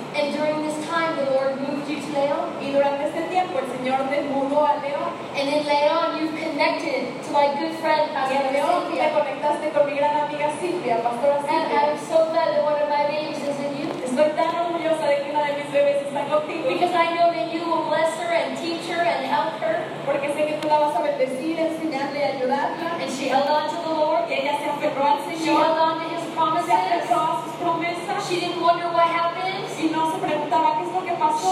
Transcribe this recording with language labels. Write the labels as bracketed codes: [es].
[en] And during this time, the Lord moved you to León. [es] Y durante este tiempo, el Señor te mudó a León. [en] And in León, you've connected to my good friend, Pastora Silvia. [es] Y en León, te conectaste con mi gran amiga Silvia, Pastora Silvia. [en] And I'm so glad that one of my babies is in you. [es] Estoy tan orgullosa de que una de mis bebés está contigo. [en] Because I know that you will bless her and teach her and help her. [es] Porque sé que tú la vas a bendecir, enseñarle y ayudarla. [en] And she held on to the Lord. [es] Y ella se aferró al Señor. [en] She held on to His promises. [es] Se aferró a sus promesas. [en] She didn't wonder what happened. [es] Y no se preguntaba qué es lo que pasó.